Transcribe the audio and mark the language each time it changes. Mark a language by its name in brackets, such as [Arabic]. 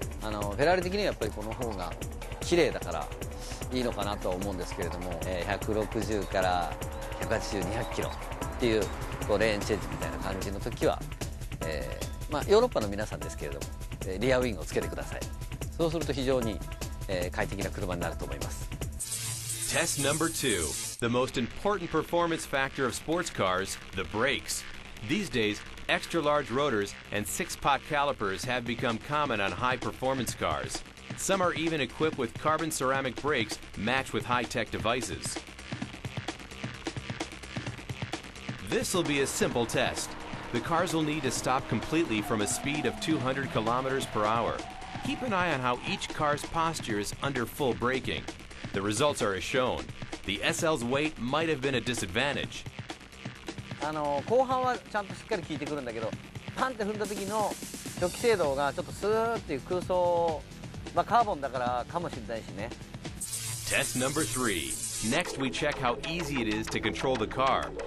[Japanese] フェラーリ的にはやっぱりこの方が綺麗だからいいのかなと思うんですけれども、160から180-200kmっていう、こうレーンチェンジみたいな感じの時は、ヨーロッパの皆さんですけれども、リアウィングをつけてください。そうすると非常に、快適な車になると思います。 [English] Test number 2. The most important performance factor of sports cars, the brakes. These days, extra large rotors and 6-pot calipers have become common on high performance cars. Some are even equipped with carbon ceramic brakes matched with high-tech devices. This will be a simple test. The cars will need to stop completely from a speed of 200 kilometers per hour. Keep an eye on how each car's posture is under full braking. The results are as shown. The SL's weight might have been a disadvantage. [Japanese] 後半はちゃんとしっかり効いてくるんだけど、パンって踏んだ時の初期制動がちょっとスーっていう空想、カーボンだからかもしれないしね。 [English] Test number 3. Next we check how easy it is to control the car.